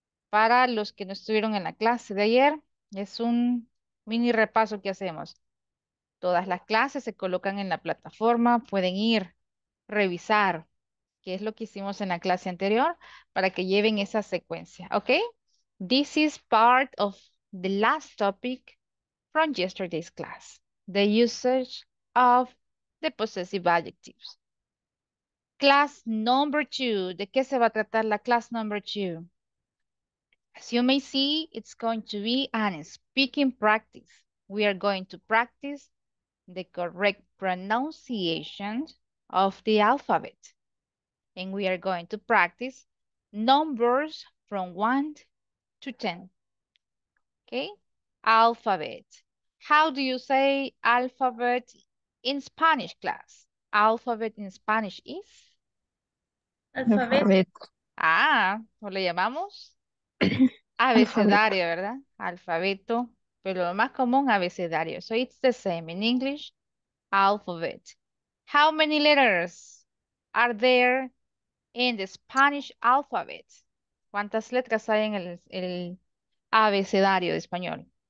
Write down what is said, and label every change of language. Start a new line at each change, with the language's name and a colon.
Spanish: Para los que no estuvieron en la clase de ayer, es un mini repaso que hacemos. Todas las clases se colocan en la plataforma, pueden ir. Revisar qué es lo que hicimos en la clase anterior para que lleven esa secuencia, ¿ok?
English: This is part of the last topic from yesterday's class, the usage of the possessive adjectives. Class number two,
Spanish: ¿de qué se va a tratar la
English: class number two? As you may see, it's going to be a speaking practice. We are going to practice the correct pronunciation of the alphabet, and we are going to practice numbers from 1 to 10. Okay, alphabet. How do you say alphabet in Spanish class? Alphabet in Spanish is alphabet.
Spanish: Ah, ¿o le llamamos abecedario, verdad? Alfabeto, pero lo más común abecedario.
English: So it's the same in English, alphabet. How many letters are there in the Spanish alphabet?
Spanish: ¿Cuántas letras hay en el abecedario de español?